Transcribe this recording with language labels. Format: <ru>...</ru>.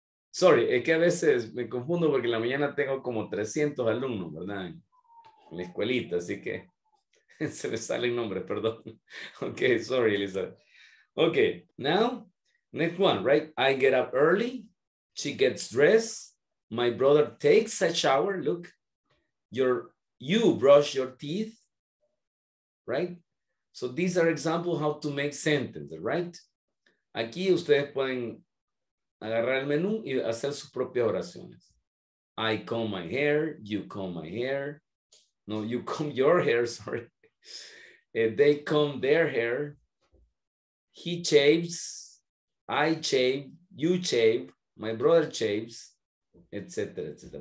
<es>Sorry, es que a veces me confundo porque en la mañana tengo como 300 alumnos, ¿verdad? la escuelita, así que se me salen nombres, perdón.</es> <en>Okay, sorry, Elizabeth. Okay, now, next one, right? I get up early, she gets dressed, my brother takes a shower, look, you brush your teeth, right? So these are examples how to make sentences, right?</en> <es>Aquí ustedes pueden agarrar el menú y hacer sus propias oraciones.</es> <en>I comb my hair, you comb my hair. No, you comb your hair, sorry. They comb their hair. He shaves, I shave, you shave, my brother shaves, etc., etc.</en>